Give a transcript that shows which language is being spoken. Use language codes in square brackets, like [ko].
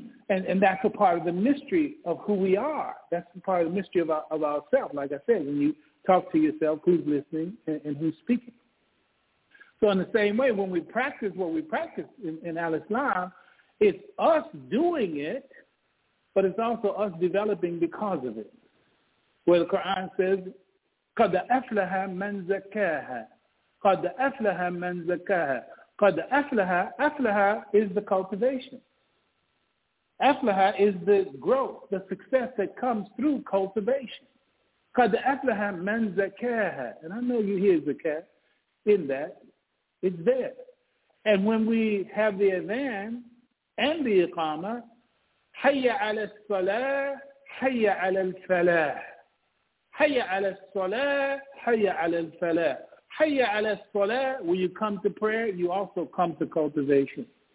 [en] And that's a part of the mystery of who we are. That's a part of the mystery of ourselves. Like I said, when you talk to yourself, who's listening and who's speaking? So in the same way, when we practice what we practice in al-Islam, it's us doing it, but it's also us developing because of it. Where the Quran says, [ar] قَدْ أَفْلَحَ مَنْ زَكَّاهَا قَدْ أَفْلَحَ مَنْ زَكَّاهَا قَدْ أَفْلَحَ أَفْلَحَ [en] is the cultivation. أَفْلَحَ is the growth, the success that comes through cultivation. [ar] قَدْ أَفْلَحَ مَنْ زَكَّاهَا [en] And I know you hear zakat in that. It's there. And when we have the adhan and the iqama, [ar] حَيَّ عَلَى الصَّلَاةِ حَيَّ عَلَى الْفَلَاةِ [en] حَيَّ عَلَى الصَّلَاةِ حَيَّ عَلَى الْفَلَاةِ Hayya ala salah, when you come to prayer, you also come to cultivation.